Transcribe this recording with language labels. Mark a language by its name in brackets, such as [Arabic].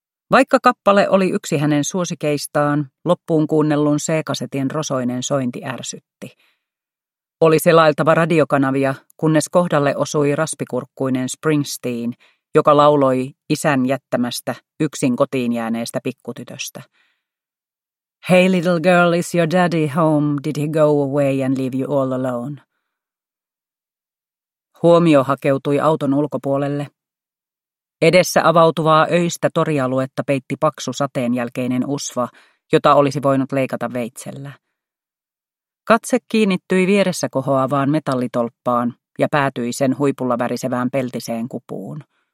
[Finnish] Vaikka kappale oli yksi hänen suosikeistaan, loppuun kuunnellun C-kasetin rosoinen sointi ärsytti. Oli selailtava radiokanavia, kunnes kohdalle osui raspikurkkuinen Springsteen, joka lauloi isän jättämästä, yksin kotiin jääneestä pikkutytöstä. [English] Hey little girl, is your daddy home? Did he go away and leave you all alone? [Finnish] Huomio hakeutui auton ulkopuolelle. Edessä avautuvaa öistä torialuetta peitti paksu sateen jälkeinen usva, jota olisi voinut leikata veitsellä. Katse kiinnittyi vieressä kohoavaan metallitolppaan ja päätyi sen huipulla värisevään peltiseen kupuun.